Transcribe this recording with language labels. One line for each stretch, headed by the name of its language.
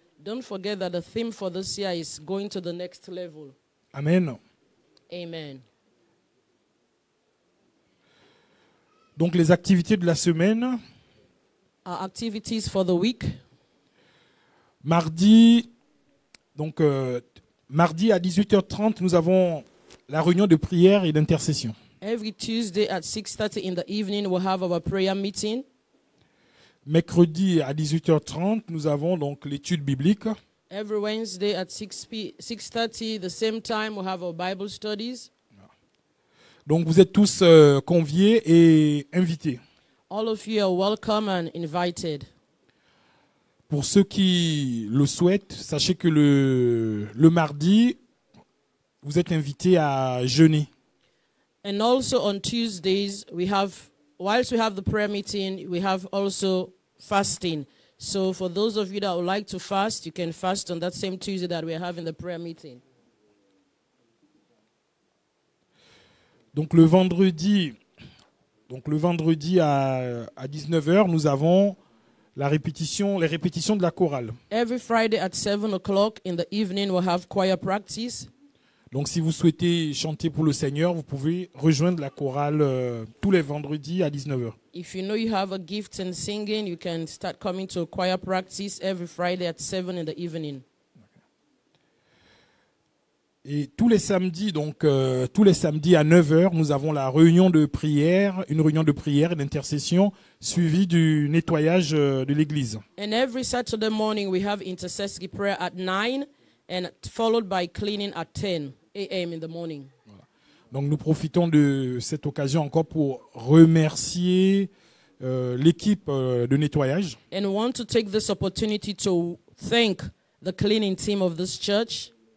English: Don't forget that the theme for this year is going to the next level. Amen. Amen.
French: Donc les activités de la semaine.
English: Our activities for the week.
French: Mardi, donc mardi à 18h30, nous avons la réunion de prière et d'intercession.
English: Every Tuesday at 6:30 in the evening, we have our prayer meeting.
French: Mercredi à 18h30, nous avons donc l'étude biblique.
English: Every Wednesday at 6:30, the same time, we have our Bible studies.
French: Donc vous êtes tous conviés et invités.
English: All of you are welcome and invited.
French: Pour ceux qui le souhaitent, sachez que le mardi, vous êtes invités à jeûner.
English: And also on Tuesdays, whilst we have the prayer meeting, we have also fasting. So for those of you that would like to fast, you can fast on that same Tuesday that we are having the prayer meeting.
French: Donc le vendredi à 19h, nous avons les répétitions de la chorale.
English: Every Friday at 7:00 in the evening we have choir practice.
French: Donc si vous souhaitez chanter pour le Seigneur, vous pouvez rejoindre la chorale tous les vendredis à 19h.
English: If you know you have a gift in singing, you can start coming to a choir practice every Friday at 7 in the evening.
French: Et tous les samedis à 9h, nous avons la réunion de prière, une réunion de prière et d'intercession suivie du nettoyage de l'église.
English: And every Saturday morning we have intercessory prayer at 9 and followed by cleaning at 10 a.m. in the morning.
French: Voilà. Donc nous profitons de cette occasion encore pour remercier l'équipe de nettoyage.
English: And want to take this opportunity to thank the cleaning team of this church.